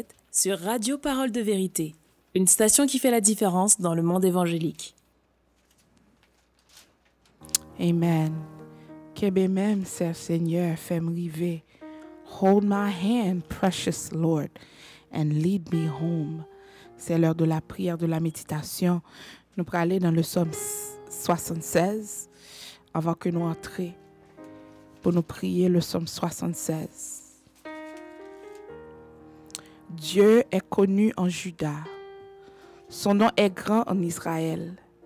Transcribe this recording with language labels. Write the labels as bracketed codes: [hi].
[fr] Sur Radio Parole de Vérité, une station qui fait la différence dans le monde évangélique. Amen. Que bien même, Seigneur, Seigneur, fais-moi arriver. [en] Hold my hand, precious Lord, and lead me home. [fr] C'est l'heure de la prière, de la méditation. Nous allons aller dans le psaume 76 avant que nous entrions pour nous prier le psaume 76. Dieu est connu en Juda. Son nom est grand en Israël.